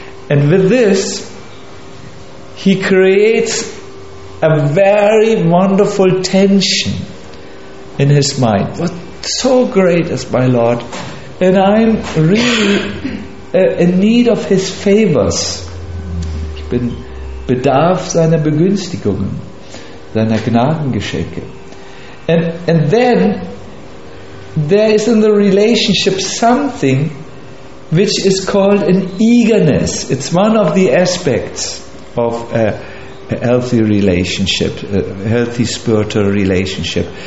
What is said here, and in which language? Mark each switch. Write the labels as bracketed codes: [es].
[en] And with this, he creates a very wonderful tension in his mind. What so great is my Lord, and I'm really in need of his favors. [de] Ich bin bedarf seiner Begünstigungen, seiner Gnadengeschenke. [en] And then there is in the relationship something which is called an eagerness. It's one of the aspects of a healthy relationship, a healthy spiritual relationship.